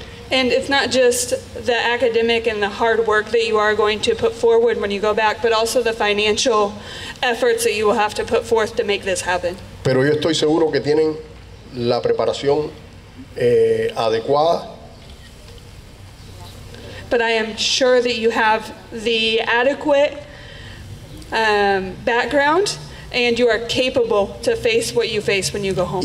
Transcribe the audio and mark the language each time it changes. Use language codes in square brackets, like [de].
[en] And it's not just the academic and the hard work that you are going to put forward when you go back, but also the financial efforts that you will have to put forth to make this happen. [es] Pero yo estoy seguro que tienen la preparación adecuada. [en] But I am sure that you have the adequate background, and you are capable to face what you face when you go home.